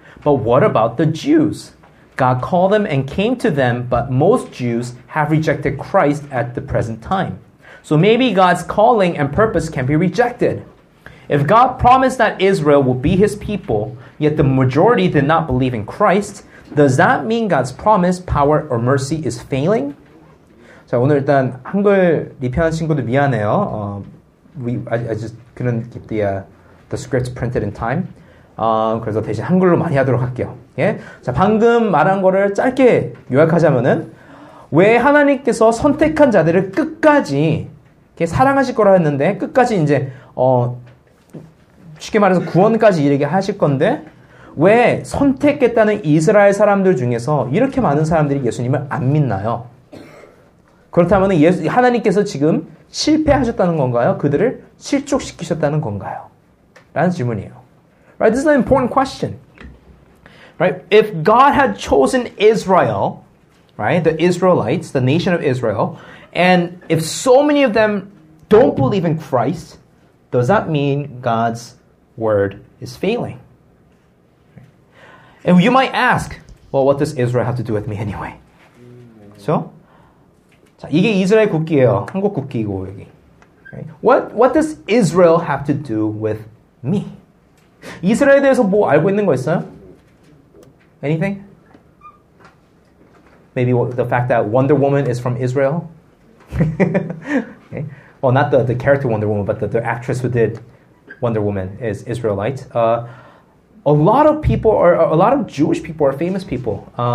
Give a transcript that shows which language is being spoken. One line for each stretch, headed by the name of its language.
English: But what about the Jews? God called them and came to them, but most Jews have rejected Christ at the present time. So maybe God's calling and purpose can be rejected. If God promised that Israel will be his people, yet the majority did not believe in Christ, does that mean God's promise, power, or mercy is failing?
Korean: 자, 오늘 일단 한글 리피하는 친구들 미안해요.
English: I just couldn't get the script printed in time.
Korean: 그래서 대신 한글로 많이 하도록 할게요. 예? 자, 방금 말한 거를 짧게 요약하자면은 왜 하나님께서 선택한 자들을 끝까지 이렇게 사랑하실 거라 했는데 끝까지 이제 쉽게 말해서 구원까지 이르게 하실 건데 왜 선택했다는 이스라엘 사람들 중에서 이렇게 많은 사람들이 예수님을 안 믿나요? 그렇다면 하나님께서 지금 실패하셨다는 건가요? 그들을 실족시키셨다는 건가요? 라는 질문이에요.
English: Right, this is an important question. Right, if God had chosen Israel, right, the Israelites, the nation of Israel, and if so many of them don't believe in Christ, does that mean God's word is failing? And you might ask, well, what does Israel have to do with me anyway?
Korean: So, 자, 이게 이스라엘 국기예요. 한국 국기이고 여기. Okay.
English: What does Israel have to do with me?
Korean: 이스라엘에 대해서 뭐 알고 있는 거 있어요?
English: Anything? Maybe the fact that Wonder Woman is from Israel? Okay. Well, not the character Wonder Woman, but the actress who did Wonder Woman is Israelite. A lot of people are, a lot of Jewish people are famous people.